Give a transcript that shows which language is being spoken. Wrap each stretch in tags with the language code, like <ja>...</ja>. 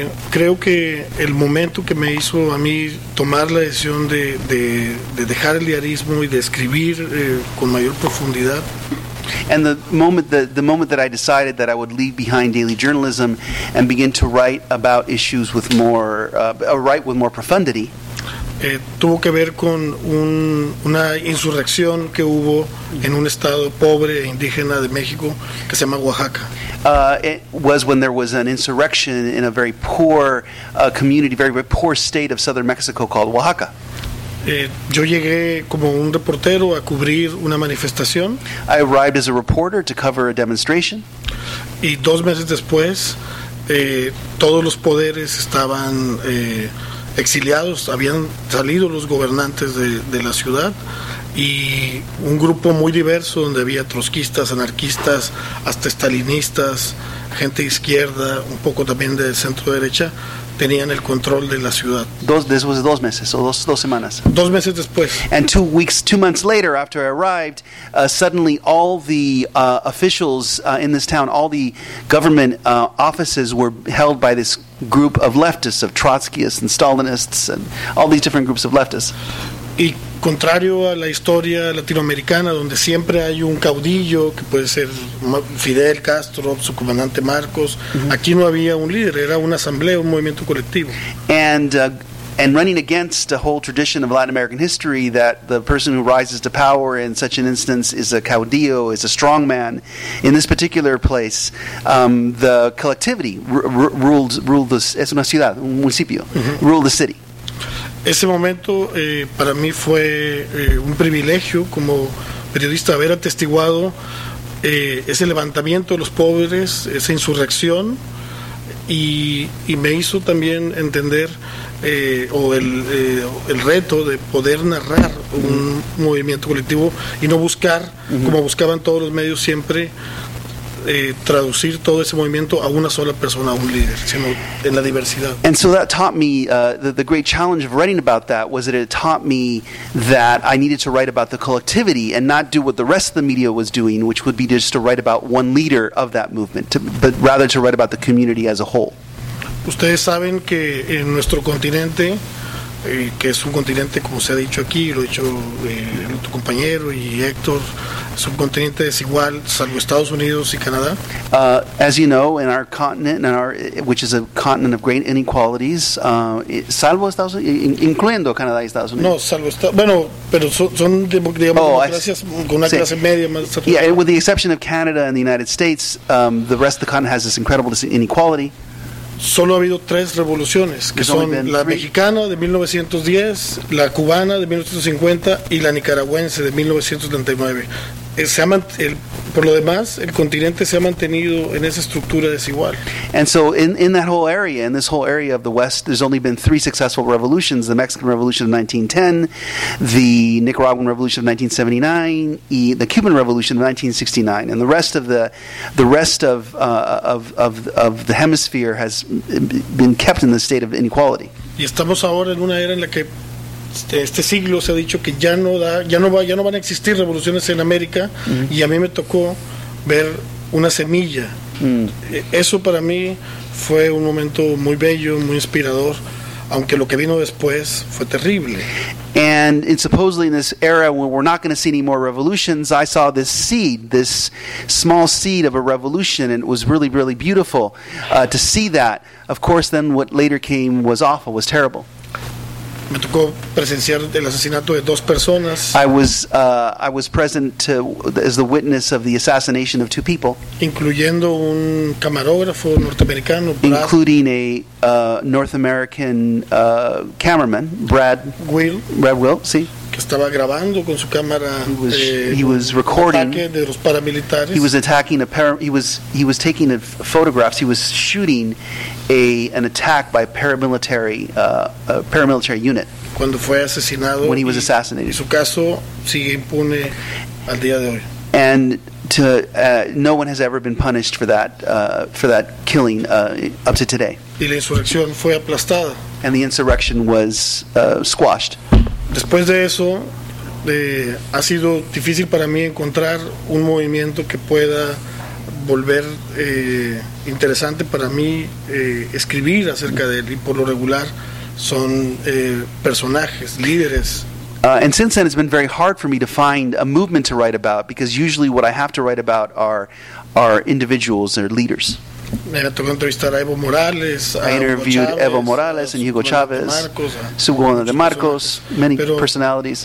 <es>Creo que el momento que me hizo a mí tomar la decisión de dejar el diarismo y de escribir con mayor profundidad.</es> <en>And the moment that I decided that I would leave behind daily journalism and begin to write about issues with more write with more profundity.</en> <es>Tuvo que ver con una insurrección que hubo en un estado pobre e indígena de México que se llama Oaxaca.</es> <en>It was when there was an insurrection in a very poor community, very, very poor state of southern Mexico called Oaxaca.</en> <es>Yo llegué como un reportero a cubrir una manifestación.</es> <en>I arrived as a reporter to cover a demonstration.</en> <es>Y dos meses después, todos los poderes estaban exiliados, habían salido los gobernantes de la ciudad. Y un grupo muy diverso donde había trotskistas, anarquistas, hasta estalinistas, gente de izquierda, un poco también de centro derecha, tenían el control de la ciudad. Dos meses. Dos meses después.</es> <en>And two months later, after I arrived, suddenly all the officials in this town, all the government offices were held by this group of leftists, of trotskyists and stalinists and all these different groups of leftists.</en> <es>Y contrario a la historia latinoamericana, donde siempre hay un caudillo, que puede ser Fidel Castro, su comandante Marcos, mm-hmm. aquí no había un líder, era una asamblea, un movimiento colectivo.</es> <en>And running against a whole tradition of Latin American history that the person who rises to power in such an instance is a caudillo, is a strong man, in this particular place, the collectivity ruled the,</en> <es>es una ciudad, un municipio,</es> <en>mm-hmm. ruled the city.</en> <es>Ese momento para mí fue un privilegio como periodista haber atestiguado ese levantamiento de los pobres, esa insurrección, y me hizo también entender el reto de poder narrar un movimiento colectivo y no buscar, uh-huh. como buscaban todos los medios siempre, traducir todo ese movimiento a una sola persona, a un líder, sino en la diversidad.</es> <en>And so that taught me the great challenge of writing about that was that it taught me that I needed to write about the collectivity and not do what the rest of the media was doing, which would be just to write about one leader of that movement, but rather to write about the community as a whole.</en> <es>Ustedes saben que en nuestro continente, que es un continente, como se ha dicho aquí, lo ha dicho tu compañero y Héctor, es un continente desigual, salvo Estados Unidos y Canadá.</es> <en>As you know, in our continent, which is a continent of great inequalities,</en> <es>salvo Estados Unidos, incluyendo Canadá y Estados Unidos. No, salvo Estados, bueno, pero son digamos, democracias con una clase media más saturada.</es> <en>Yeah, with the exception of Canada and the United States, the rest of the continent has this incredible inequality.</en> <es>Solo ha habido tres revoluciones, que son la mexicana de 1910, la cubana de 1950 y la nicaragüense de 1979. Por lo demás, el continente se ha mantenido en esa estructura desigual.</es> <en>And so in that whole area, in this whole area of the West, there's only been three successful revolutions: the Mexican Revolution of 1910, the Nicaraguan Revolution of 1979, and the Cuban Revolution of 1969. And the rest of the hemisphere has been kept in the state of inequality.</en> <es>Y estamos ahora en una era en la que este siglo se ha dicho que ya no van a existir revoluciones en América, mm-hmm. y a mí me tocó ver una semilla. Mm. Eso para mí fue un momento muy bello, muy inspirador, aunque lo que vino después fue terrible.</es> <en>And in supposedly in this era when we're not going to see any more revolutions, I saw this seed, this small seed of a revolution, and it was really, really beautiful to see that. Of course, then what later came was awful, was terrible.</en> <es>me tocó presenciar el asesinato de dos personas.</es> <en>I was present to, as the witness of the assassination of two people,</en> <es>incluyendo un camarógrafo norteamericano, Brad,</es> <en>including a North American cameraman, Brad Will.</en> <es>Brad Will, sí. Que estaba grabando con su cámara.</es> <en>He was recording. He was taking the photographs. He was shooting an attack by a paramilitary unit.</en> <es>Cuando fue asesinado.</es> <en>When he was assassinated.</en> <es>Y su caso sigue impune al día de hoy.</es> <en>And no one has ever been punished for that killing up to today.</en> <es>Y la insurrección fue aplastada.</es> <en>And the insurrection was squashed.</en> <es>Después de eso, ha sido difícil para mí encontrar un movimiento que pueda volver interesante para mí escribir acerca de él. Y por lo regular son personajes, líderes.</es> <en>And since then, it's been very hard for me to find a movement to write about, because usually what I have to write about are individuals or leaders. I interviewed Evo Morales and Hugo Chavez, Subgona de Marcos, many personalities.</en>